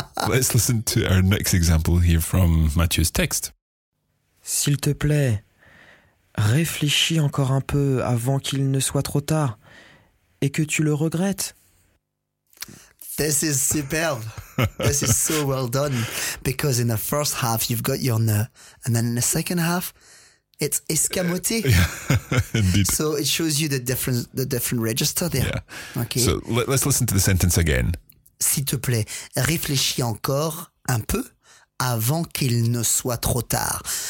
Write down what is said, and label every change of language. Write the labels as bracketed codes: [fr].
[en] Let's listen to our next example here from Mathieu's text. [fr] S'il te plaît, réfléchis encore un peu avant qu'il ne soit trop tard. Et que tu le regrettes. [en] This is superb. This is so well done. Because in the first half, you've got your ne. And then in the second half, it's escamoté. Indeed. So it shows you the different register there. Yeah. Okay. So let's listen to the sentence again. [fr] S'il te plaît, réfléchis encore un peu avant qu'il ne soit trop tard.